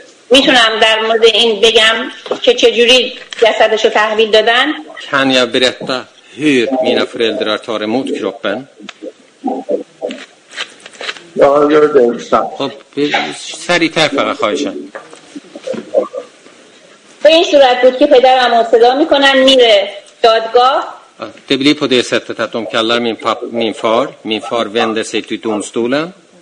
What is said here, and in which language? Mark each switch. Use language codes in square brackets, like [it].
[fa] میتونم در مورد این بگم که چجوری جسدشو تحویل دادن؟ [sv] Kan jag berätta hur mina föräldrar tar emot kroppen? Ja, gör det. [fa] خب سریع تر فقط خواهشم. به این صورت بود که پدرم رو صدا میکنن میره دادگاه. [sv] Det blir på det sättet att de kallar min far. Min far vänder sig till domstolen.